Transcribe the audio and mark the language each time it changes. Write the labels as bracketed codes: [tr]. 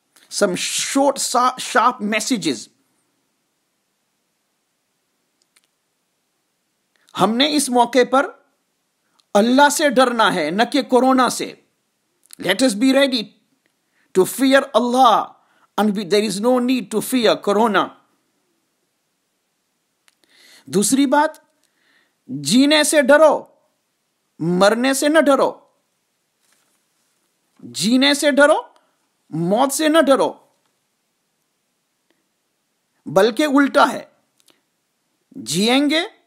[en] some short sharp messages, [ur] ہم نے اس موقع پر اللہ سے ڈرنا ہے نہ کہ کرونا سے. [en] Let us be ready to fear Allah. And there is no need to fear corona. [ur] دوسری بات, جینے سے ڈرو مرنے سے نہ ڈرو. جینے سے ڈرو موت سے نہ ڈرو, بلکہ الٹا ہے, جیئیں گے